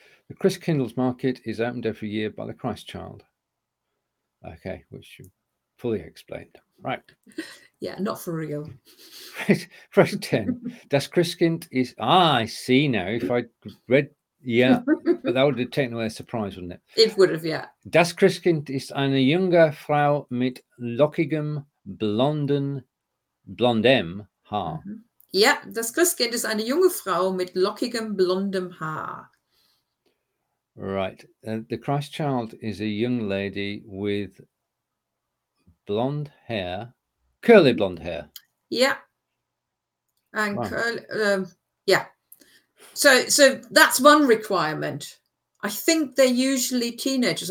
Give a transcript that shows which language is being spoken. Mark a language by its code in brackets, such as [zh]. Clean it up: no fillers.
[en] The Christkindles market is opened every year by the Christ child. Okay, which you fully explained. Right. Yeah, not for real. Phrase 10. [de] Das Christkind ist... [en] I see now. If I read... Yeah, but that would have taken away a surprise, wouldn't it? It would have, yeah. [de] Das Christkind ist eine junge Frau mit lockigem, blondem Haar. [en] Mm-hmm. [de] Yeah, das Christkind ist eine junge Frau mit lockigem, blondem Haar. [en] Right. The Christ child is a young lady with blonde hair, curly blonde hair. Yeah. And right. Curly. Yeah. So that's one requirement. I think they're usually teenagers.